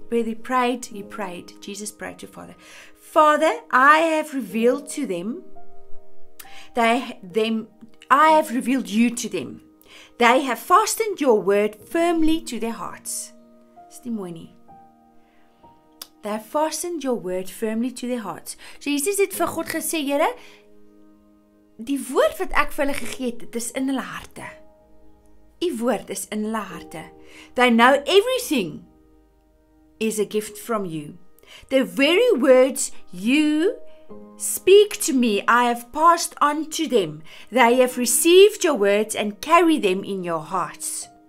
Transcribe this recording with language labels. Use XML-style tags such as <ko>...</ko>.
<en>Where he prayed, Jesus prayed to Father. Father, I have revealed to them, I have revealed you to them. They have fastened your word firmly to their hearts. Stimoni. They have fastened your word firmly to their hearts.</en> <af>Jesus het vir God gesê, Here, die woord wat ek vir hulle gegee het, is in hulle harte. Die woord is in hulle harte.</af> <en>They know everything is a gift from you. The very words you speak to me, I have passed on to them. They have received your words and carry them in your hearts.</en>